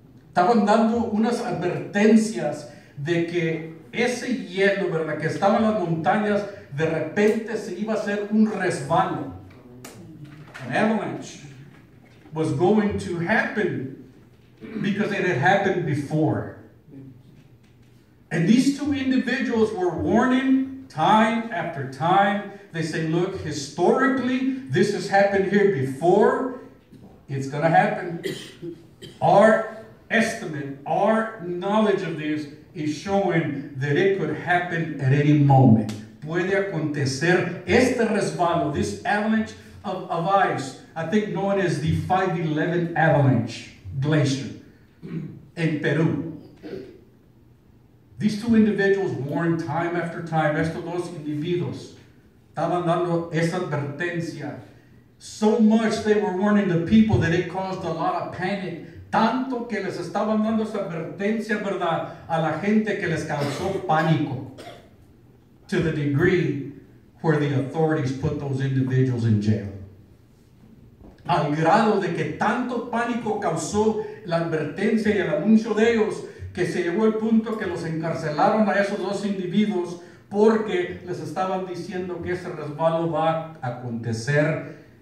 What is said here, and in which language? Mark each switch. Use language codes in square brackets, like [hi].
[es] Estaban dando unas advertencias de que ese hielo, ¿verdad?, que estaba en las montañas, de repente se iba a hacer un resbalo. [en] An avalanche was going to happen because it had happened before. And these two individuals were warning time after time. They say, look, historically, this has happened here before. It's going to happen. Our estimate, our knowledge of this is showing that it could happen at any moment. [es] Puede acontecer este resbalo, [en] this avalanche of ice, I think known as the 511 avalanche glacier in Peru. These two individuals warned time after time, [es] estos dos individuos estaban dando esa advertencia. [en] So much they were warning the people that it caused a lot of panic. [es] Tanto que les estaban dando esa advertencia, verdad, a la gente que les causó pánico. [en] To the degree where the authorities put those individuals in jail. [es] Al grado de que tanto pánico causó la advertencia y el anuncio de ellos, que se llegó al punto que los encarcelaron a esos dos individuos porque les estaban diciendo que ese resbalo va a acontecer.